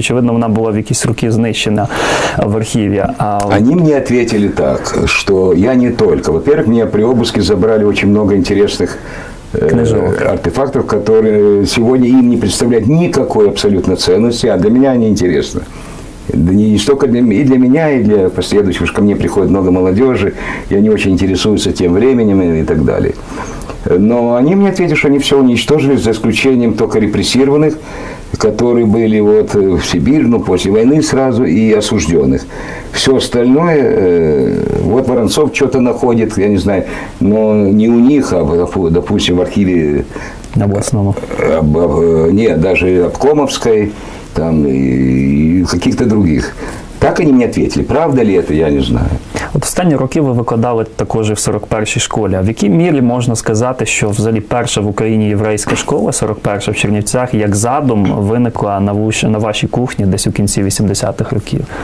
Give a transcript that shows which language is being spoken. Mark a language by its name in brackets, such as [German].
[Ukrainian] Очевидно, вона була в якісь роки знищена в архіві. Вони мені відповіли так, що я не тільки. [Russian] Во-первых, [Ukrainian] мені [Russian] при обыске [Ukrainian] забрали дуже багато інтересних артефактів, які сьогодні їм не представляють ніякої абсолютно цінності, а для мене вони інтересні. [Russian] Да не столько и для меня, и для последующих, потому что ко мне приходит много молодежи, и они очень интересуются тем временем и так далее. Но они мне ответили, что они все уничтожили, за исключением только репрессированных, которые были вот в Сибирь, ну, после войны сразу, и осужденных. Все остальное, вот Воронцов. концов что-то находит, я не знаю, но не у них, а, допустим, в архиве... Областного. Нет, даже обкомовской, там, и каких-то других. [Ukrainian] Так они мені відповіли. Правда ли це, я не знаю. От останні роки ви викладали також і в 41-й школі. А в якій мірі можна сказати, що взагалі перша в Україні єврейська школа, 41-ша в Чернівцях, як задум виникла на вашій кухні десь у кінці 80-х років?